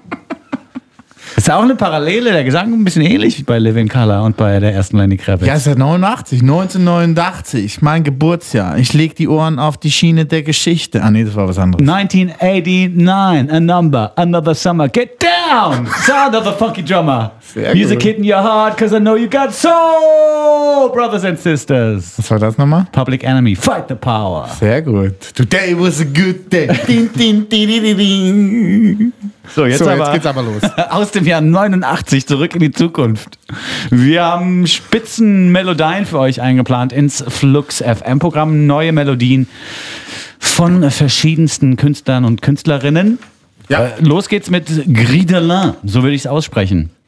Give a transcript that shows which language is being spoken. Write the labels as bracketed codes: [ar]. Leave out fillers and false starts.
[de] Ja. Ist ja auch eine Parallele, der Gesang ein bisschen ähnlich wie bei Living Color und bei der ersten Lenny Kravitz. Ja, es ist ja 1989, mein Geburtsjahr. Ich leg die Ohren auf die Schiene der Geschichte. Ah nee, das war was anderes. [en] 1989, a number, another summer. Get down, sound of a funky drummer. [de] Sehr Music gut. [en] hit in your heart, cause I know you got soul, brothers and sisters. [de] Was war das nochmal? [en] Public Enemy, fight the power. [de] Sehr gut. [en] Today was a good day. Ding, ding, ding, ding, ding, [de] ding. So, jetzt, so aber jetzt geht's aber los. Aus dem Jahr 89 zurück in die Zukunft. Wir haben Spitzenmelodien für euch eingeplant ins Flux FM Programm. Neue Melodien von verschiedensten Künstlern und Künstlerinnen. Ja. Los geht's mit Gridelin, so würde ich es aussprechen.